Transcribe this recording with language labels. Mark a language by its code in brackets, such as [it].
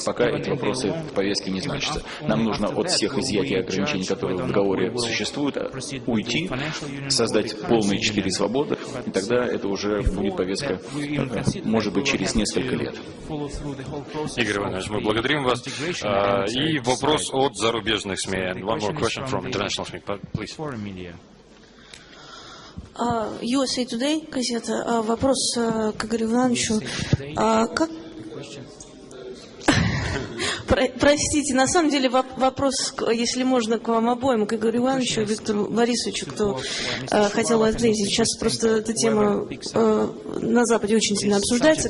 [ru] Пока эти вопросы в повестке не значатся. Нам нужно от всех изъятий и ограничений, которые в договоре существуют, уйти, создать полные 4 свободы, и тогда это уже будет повестка, может быть, через несколько лет. Игорь Иванович, мы благодарим вас. И вопрос от зарубежных СМИ. [en] One more question from international СМИ, please. [ru] USA Today, газета. Вопрос к Игорю Ивановичу. Как... Простите, на самом деле вопрос, если можно, к вам обоим, к Игорю Ивановичу и Виктору Борисовичу, кто хотел ответить. Сейчас просто эта тема на Западе очень сильно обсуждается.